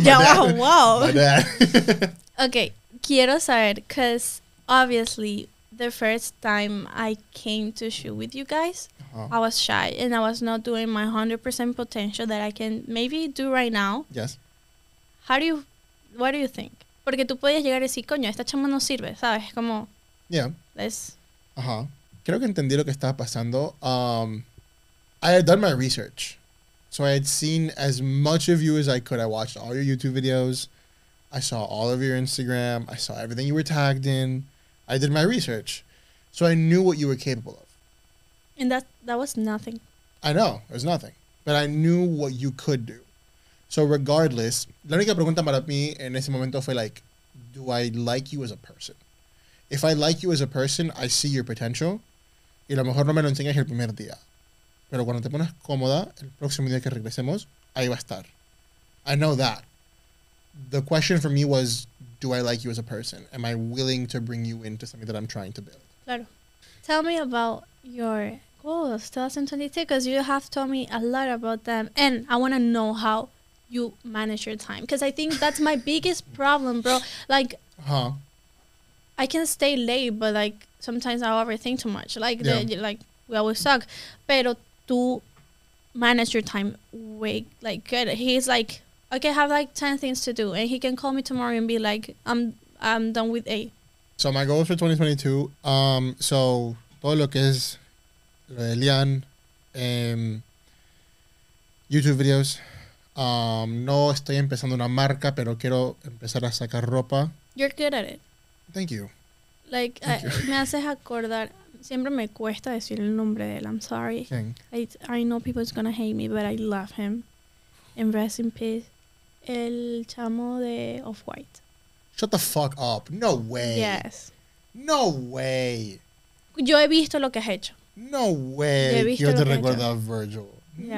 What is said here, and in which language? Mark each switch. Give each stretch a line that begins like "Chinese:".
English: My dad. My dad. Okay.
Spanish: Quiero saber,
English: because obviously the first time I came to shoot with you guys, I was shy and I was not doing my 100% potential that I can maybe do right now. Yes. What do you think?
Spanish: Porque tú podías llegar y decir, coño, esta chama no sirve, ¿sabes? Como...
English: Yeah. Let's...
Spanish: Ajá. Creo que entendí lo que estaba pasando.
English: I had done my research. So I had seen as much of you as I could. I watched all your YouTube videos. I saw all of your Instagram. I saw everything you were tagged in. I did my research. So I knew what you were capable of. And that was nothing. I know. It was nothing. But I knew what you could do. So regardless,
Spanish: la única pregunta para mí en ese momento fue
English: like, do I like you as a person? If I like you as a person, I see your potential.
Spanish: Y a lo mejor no me lo enseñas el primer día. Pero cuando te pones cómoda, el próximo día que regresemos, ahí va a estar.
English: I know that. The question for me was, do I like you as a person? Am I willing to bring you into something that I'm trying to build?
Spanish: Claro.
English: Tell me about your goals 2022, because you have told me a lot about them. And I want to know how you manage your time. Because I think that's my biggest problem, bro. Like... Huh. I can stay late, but like sometimes I overthink too much. Like, like we always talk.
Spanish: Pero tú
English: manage your time way like good. He's like, okay, I have like 10 things to do, and he can call me tomorrow and be like, I'm done with A. So my goals for 2022.
Spanish: So todo lo que es Elian, YouTube videos. No estoy empezando una marca, pero quiero empezar a sacar ropa.
English: You're good at it. Thank you. Like, thank you.
Spanish: Me haces acordar. Siempre me cuesta decir el nombre de él.
English: I'm sorry. I know people's gonna hate me, but I love him. And rest in peace.
Spanish: El chamo de
English: Off-White. Shut the fuck up. No way. Yes. No way.
Spanish: Yo he visto lo que has hecho.
English: No way.
Spanish: Yo te recuerdo a Virgil. Yeah.